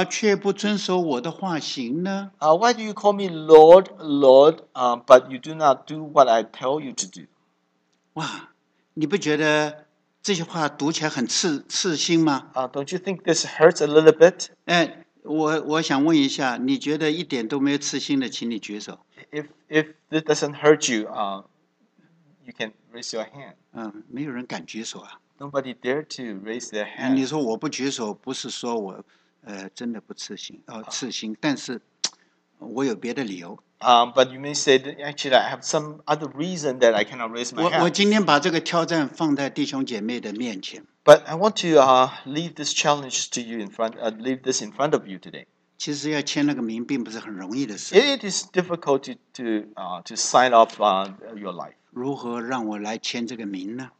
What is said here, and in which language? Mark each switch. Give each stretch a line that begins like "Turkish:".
Chinese: 你们为什么称我主啊主啊却不遵守我的话行呢?
English: Why do you call me Lord, Lord, but you do not do what I tell you to do?
Chinese: 哇, 你不觉得这句话读起来很刺心吗?
English: Don't you think this hurts a little bit?
Chinese: 我想问一下, 你觉得一点都没有刺心的,请你举手。
English: If this doesn't hurt you, you can raise your hand.
Chinese: 没有人敢举手啊。
English: Nobody dare to raise their hand.
Chinese: 你说我不举手，不是说我真的不刺心，刺心，但是我有别的理由。
English: But you may say that actually I have some other reason that I cannot raise my hand.
Chinese: 我今天把这个挑战放在弟兄姐妹的面前。
English: But I want to leave this challenge to you in front, leave this in front of you today.
Chinese: 其实要签那个名并不是很容易的事。
English: It is difficult to sign off your life.
Chinese: 如何让我来签这个名呢?